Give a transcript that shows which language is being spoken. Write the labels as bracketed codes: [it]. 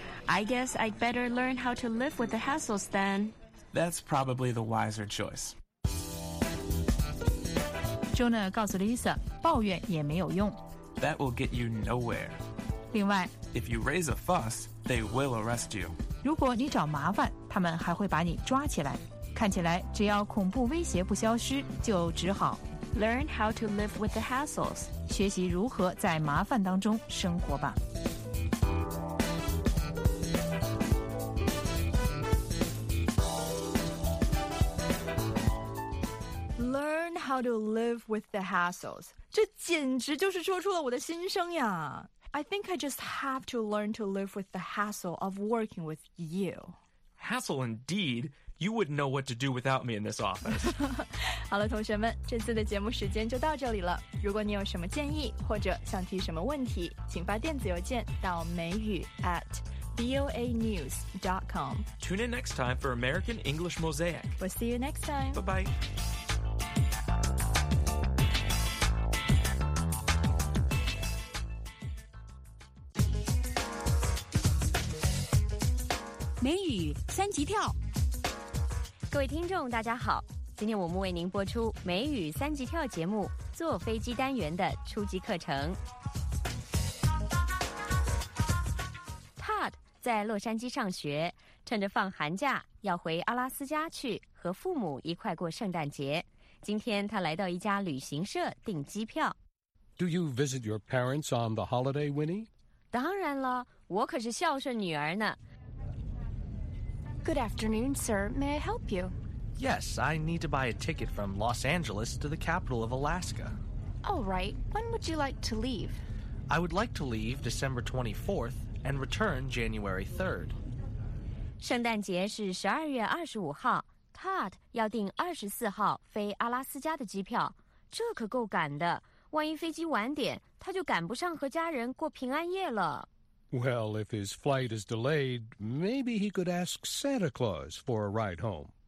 [en] I guess I'd better learn how to live with the hassles then. That's probably the wiser choice. [zh] Jonah 告诉 Lisa, 抱怨也没有用。 [en] That will get you nowhere. [zh] 另外， [en] If you raise a fuss, they will arrest you. [zh] 如果你找麻烦，他们还会把你抓起来。看起来，只要恐怖威胁不消失，就只好 [en] Learn how to live with the hassles. [zh] 学习如何在麻烦当中生活吧。 [en] Learn how to live with the hassles. [zh] 这简直就是说出了我的心声呀。 [en] I think I just have to learn to live with the hassle of working with you. Hassle indeed. You wouldn't know what to do without me in this office. [zh] 好了，同学们，这次的节目时间就到这里了。如果你有什么建议或者想提什么问题，请发电子邮件到美语 @voanews.com. [en] Tune in next time for American English Mosaic. We'll see you next time. Bye-bye. [zh] 美语三级跳。各位听众大家好，今天我们为您播出美语三级跳节目坐飞机单元的初级课程。 Todd 在洛杉矶上学，趁着放寒假要回阿拉斯加去和父母一块过圣诞节。今天他来到一家旅行社订机票。 [en] Do you visit your parents on the holiday, Winnie? [zh] 当然了，我可是孝顺女儿呢。 [en] Good afternoon, sir. May I help you? Yes, I need to buy a ticket from Los Angeles to the capital of Alaska. All right. When would you like to leave? I would like to leave December 24th and return January 3rd. [zh] 圣诞节是12月25号。 Todd 要订24号飞阿拉斯加的机票，这可够赶的。万一飞机晚点，他就赶不上和家人过平安夜了。 [en] Well, if his flight is delayed, maybe he could ask Santa Claus for a ride home.